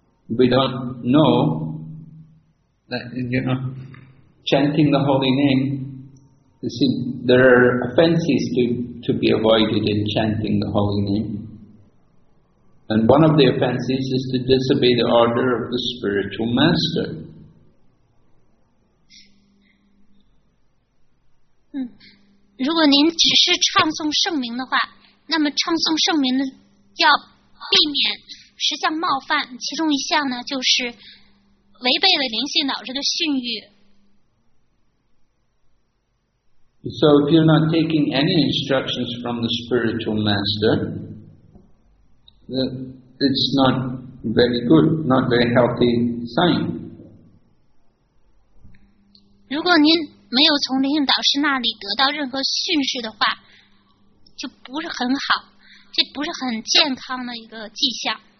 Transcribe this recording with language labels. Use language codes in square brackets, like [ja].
[en] we don't know that, you know, chanting the holy name, you see, there are offenses to be avoided in chanting the holy name. And one of the offenses is to disobey the order of the spiritual master. [zh] 如果您只是唱诵圣名的话，那么唱诵圣名的要避免十项冒犯，其中一项呢就是违背了灵性导致的训谕。 [en] So if you're not taking any instructions from the spiritual master, it's not very good, not very healthy sign. [zh] 如果您没有从灵性导师那里得到任何训示的话，就不是很好，这不是很健康的一个迹象。